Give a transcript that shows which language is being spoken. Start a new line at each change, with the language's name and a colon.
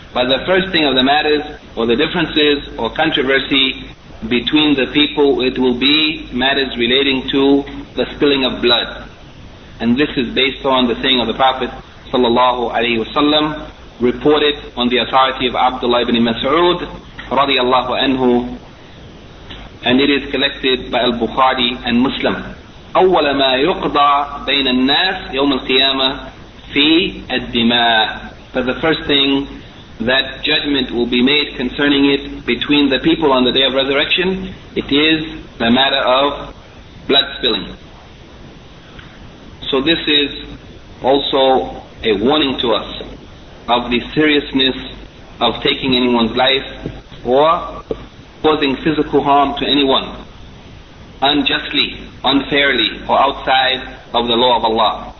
English: But the first thing of the matters or the differences or controversy between the people, it will be matters relating to the spilling of blood. And this is based on the saying of the Prophet sallallahu alaihi wasallam, reported on the authority of Abdullah ibn Mas'ud radiallahu anhu, and it is collected by Al-Bukhari and Muslim.
Arabic: أول ما يقضى بين الناس يوم القيامة في الدماء.
English: But the first thing that judgment will be made concerning it between the people on the day of resurrection, it is the matter of blood spilling. So this is also a warning to us of the seriousness of taking anyone's life or causing physical harm to anyone unjustly, unfairly, or outside of the law of Allah.